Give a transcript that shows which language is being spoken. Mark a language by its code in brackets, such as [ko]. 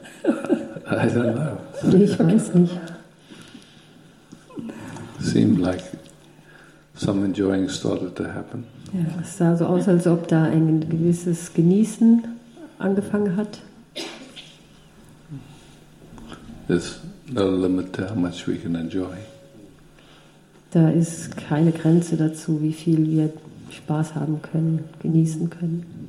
[en] I don't know. [de] Ich weiß nicht. [en] Seemed like some enjoying started to happen. [de] Ja, es sah so aus, als ob da ein gewisses Genießen angefangen hat. [en] There's no limit to how much we can enjoy. [de] Da ist keine Grenze dazu, wie viel wir Spaß haben können, genießen können.